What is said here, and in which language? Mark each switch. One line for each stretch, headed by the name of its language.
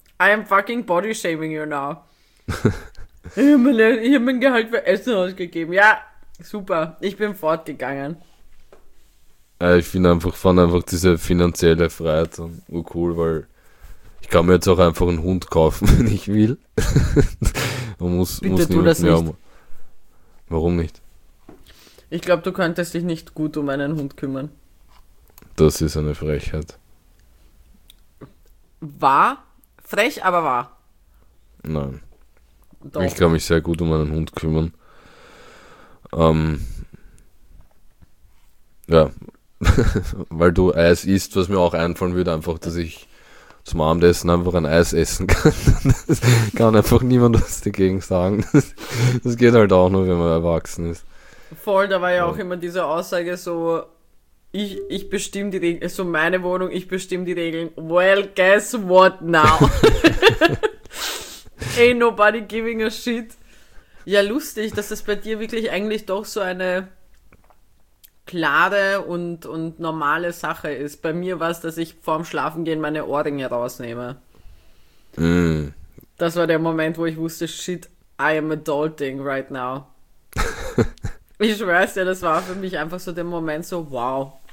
English: I am fucking body shaming you now.
German: Ich hab mein Gehalt für Essen ausgegeben. Ja, super. Ich bin fortgegangen. Ich fand einfach diese finanzielle Freiheit so cool, weil ich kann mir jetzt auch einfach einen Hund kaufen, wenn ich will. Man muss, bitte muss tu das nicht. Haben. Warum nicht? Ich glaube, du könntest dich nicht gut um einen Hund kümmern. Das ist eine Frechheit. Wahr? Frech, aber wahr. Nein. Doch. Ich kann mich sehr gut um einen Hund kümmern. Ja, weil du Eis isst, was mir auch einfallen würde, einfach, dass ich zum Abendessen einfach ein Eis essen kann. Das kann einfach niemand was dagegen sagen. Das geht halt auch nur, wenn man erwachsen ist. Voll, da war ja auch immer diese Aussage so, ich bestimme die Regeln, so meine Wohnung, ich bestimme die Regeln.
English: Well, guess what now? Ain't nobody giving a shit.
German: Ja, lustig, dass das bei dir wirklich eigentlich doch so eine klare und normale Sache ist. Bei mir war es, dass ich vorm Schlafengehen meine Ohrringe rausnehme. Mm. Das war der Moment, wo ich wusste,
English: shit, I am adulting right now.
German: Ich weiß ja, das war für mich einfach so der Moment so, wow,